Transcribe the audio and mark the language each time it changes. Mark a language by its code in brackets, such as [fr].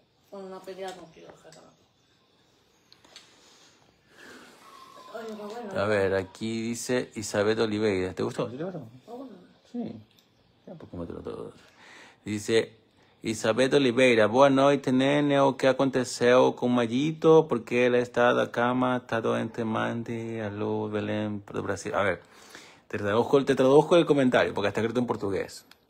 [es] Cuando no peleabas conmigo, exactamente. A ver, aquí dice Isabel Oliveira. ¿Te gustó? ¿Te gustó? Sí. Ya, pues cómetelo todo. Dice Isabel Oliveira. [pt] Boa noite, nene. O que aconteceu com Mayito? Porque ele está da cama, está doente, mande. Alô, Belém, do Brasil. [es] A ver, te traduzco el comentario, porque está escrito en portugués.